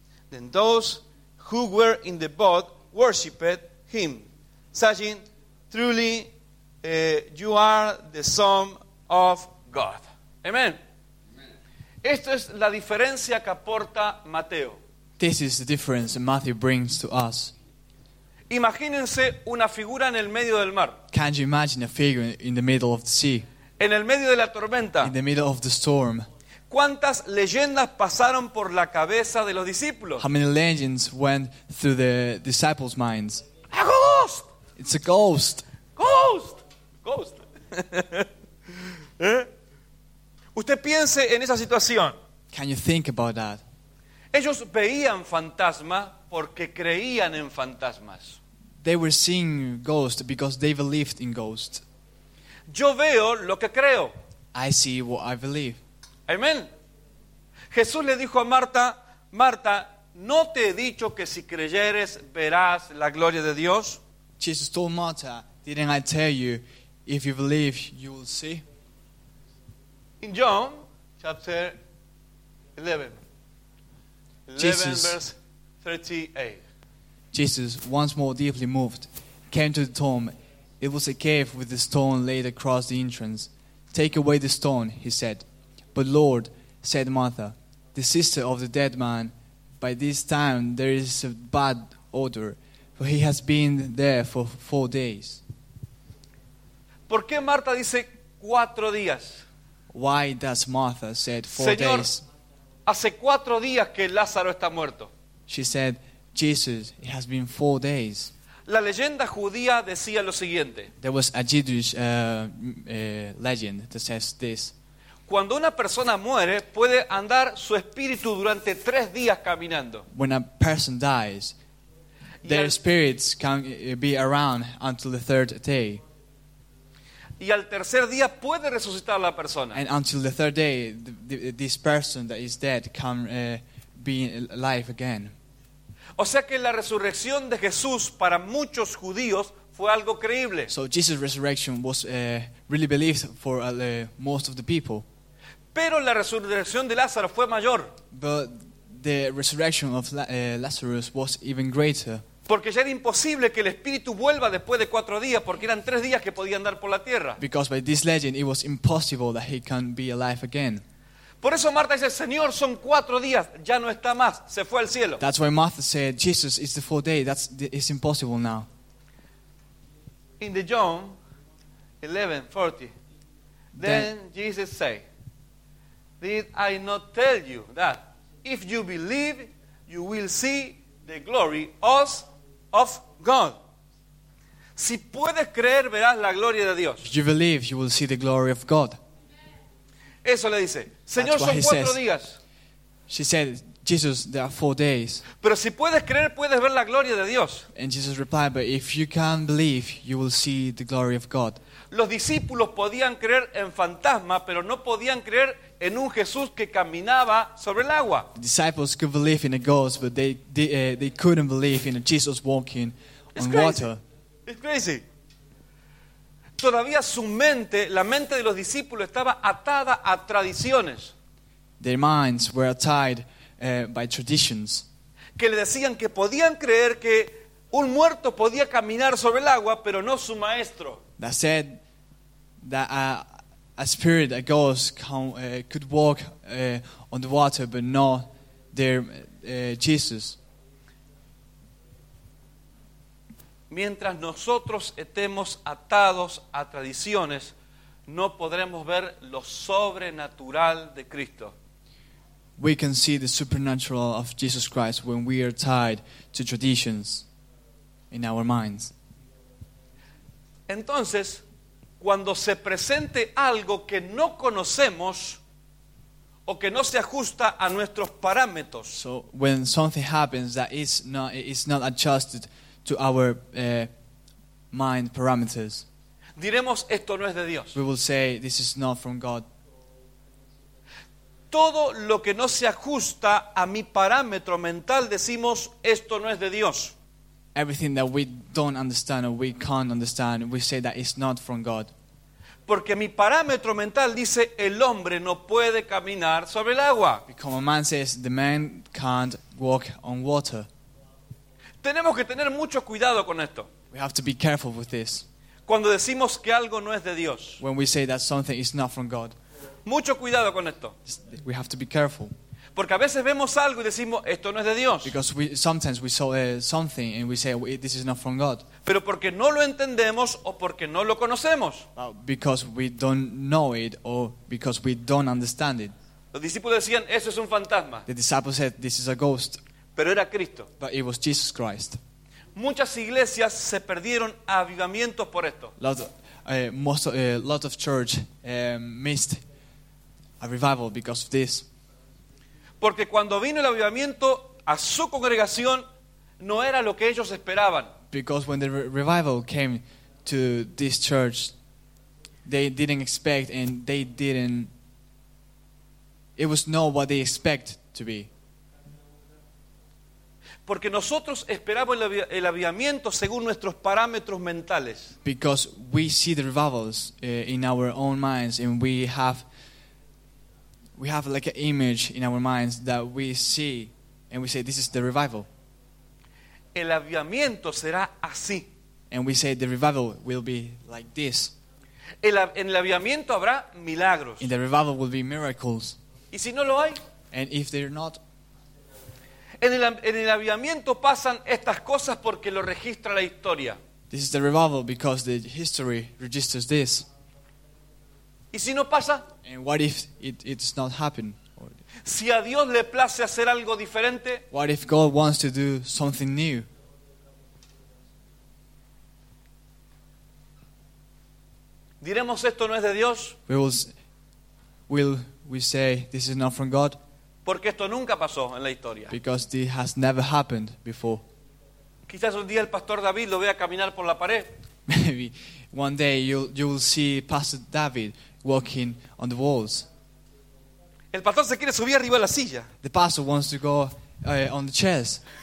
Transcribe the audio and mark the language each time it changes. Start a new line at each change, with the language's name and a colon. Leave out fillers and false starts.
English: Then those who were in the boat worshipped him, saying, truly, you are the Son of God.
Spanish: Amen. Esto es la diferencia que aporta Mateo.
English: This is the difference Matthew brings to us.
Spanish: Imagínense una figura en el medio del mar.
English: Can you imagine a figure in the middle of the sea?
Spanish: En el medio de la tormenta.
English: In the middle of the storm.
Spanish: ¿Cuántas leyendas pasaron por la cabeza de los discípulos?
English: How many legends went through the disciples' minds? A ghost. It's a ghost. Ghost. Ghost. ¿Eh?
Spanish: Usted piense en esa situación.
English: Can you think about that?
Spanish: Ellos veían fantasmas porque creían en fantasmas.
English: They were seeing ghosts because they believed in ghosts.
Spanish: Yo veo lo que creo.
English: I see what I believe. Amen.
Spanish: Jesús le dijo a Marta, Marta, ¿no te he dicho que si creyeres verás la gloria de Dios?
English: Jesus told Martha, didn't I tell you, if you believe, you will see? In John chapter 11, verse 38. Jesus, once more deeply moved, came to the tomb. It was a cave with a stone laid across the entrance. Take away the stone, he said. But Lord, said Martha, the sister of the dead man, by this time there is a bad odor, for he has been there for 4 days.
Spanish: ¿Por qué Marta dice 4 días?
English: Why does Martha say four
Spanish: Señor,
English: days?
Spanish: Hace 4 días que Lázaro está muerto.
English: She said, Jesus, it has been 4 days.
Spanish: La leyenda judía decía lo siguiente.
English: There was a Jewish legend that says this.
Spanish: Cuando una persona muere, puede andar su espíritu durante 3 días caminando.
English: When a person dies, their spirits can be around until the third day.
Spanish: Y al tercer día puede resucitar la persona.
English: And until the third day, this person that is dead can be alive again.
Spanish: O sea que la resurrección de Jesús para muchos judíos fue algo creíble.
English: So Jesus' resurrection was really believed for most of the people.
Spanish: Pero la resurrección de Lázaro fue mayor.
English: But the resurrection of Lazarus was even greater.
Spanish: Porque ya era imposible que el espíritu vuelva después de 4 días, porque eran 3 días que podía andar por la tierra.
English: Because by this legend, it was impossible that he can be alive again.
Spanish: Por eso Marta dice, Señor, son cuatro días, ya no está más, se fue al cielo.
English: That's why Martha said, Jesus, it's the fourth day, that's it's impossible now. In the John 11:40, then Jesus say, did I not tell you that if you believe, you will see the glory of God?
Spanish: Si puedes creer, verás la gloria de Dios.
English: If you believe, you will see the glory of God.
Spanish: Eso le dice, Señor, son cuatro días.
English: She said, Jesus, there are 4 days.
Spanish: Pero si puedes creer, puedes ver la gloria de Dios.
English: And Jesus replied, but if you can believe, you will see the glory of God.
Spanish: Los discípulos podían creer en fantasmas, pero no podían creer en un Jesús que caminaba sobre el agua.
English: The disciples could believe in a ghost, but they couldn't believe in a Jesus walking on water. It's crazy.
Spanish: Todavía su mente, la mente de los discípulos estaba atada a tradiciones.
English: Their minds were tied by traditions.
Spanish: Que le decían que podían creer que un muerto podía caminar sobre el agua, pero no su maestro.
English: That said that a spirit, a ghost, could walk on the water, but not their Jesus.
Spanish: Mientras nosotros estemos atados a tradiciones, no podremos ver lo sobrenatural de Cristo.
English: We can see the supernatural of Jesus Christ when we are tied to traditions in our minds.
Spanish: Entonces, cuando se presente algo que no conocemos o que no se ajusta a nuestros parámetros.
English: So when something happens that is not adjusted to our mind parameters.
Spanish: Diremos, esto no es de Dios.
English: We will say, this is not from God.
Spanish: Todo lo que no se ajusta a mi parámetro mental, decimos, esto no es de Dios.
English: Everything that we don't understand or we can't understand, we say that it's not from God.
Spanish: Porque mi parámetro mental dice, el hombre no puede caminar sobre el agua.
English: Because a man says, the man can't walk on water.
Spanish: Tenemos que tener mucho cuidado con esto.
English: We have to be careful with this.
Spanish: Cuando decimos que algo no es de Dios.
English: When we say that something is not from God.
Spanish: Mucho cuidado con esto.
English: We have to be careful.
Spanish: Porque a veces vemos algo y decimos, esto no es de Dios.
English: Because sometimes we saw something and we say, this is not from God.
Spanish: Pero porque no lo entendemos o porque no lo conocemos.
English: Because we don't know it or because we don't understand it.
Spanish: Los discípulos decían, eso es un fantasma.
English: The disciples said, this is a ghost.
Spanish: Pero era Cristo.
English: But it was Jesus Christ.
Spanish: Muchas iglesias se perdieron avivamientos por esto.
English: Lots of churches missed a revival because of this.
Spanish: Porque cuando vino el avivamiento a su congregación, no era lo que ellos esperaban.
English: Because when the revival came to this church, they didn't expect and they didn't. It was not what they expect to be.
Spanish: Porque nosotros esperamos el avivamiento según nuestros parámetros mentales.
English: Because we see the revivals in our own minds and we have like an image in our minds that we see and we say this is the revival.
Spanish: El avivamiento será así.
English: And we say the revival will be like this.
Spanish: En el avivamiento habrá milagros.
English: In the revival will be miracles.
Spanish: ¿Y si no lo hay?
English: And if they're not.
Spanish: En el avivamiento pasan estas cosas porque lo registra la historia.
English: This is the revival because the history registers this.
Spanish: ¿Y si no pasa?
English: And what if it's not happen?
Spanish: Si a Dios le place hacer algo diferente.
English: What if God wants to do something new?
Spanish: Diremos, esto no es de Dios.
English: Will we say this is not from God?
Spanish: Porque esto nunca pasó en la historia.
English: Because this has never happened before.
Spanish: Quizás un día el pastor David lo vea caminar por la pared.
English: Maybe one day you will see Pastor David walking on the walls.
Spanish: El pastor se quiere subir arriba a la silla.
English: The pastor wants to go on the chairs.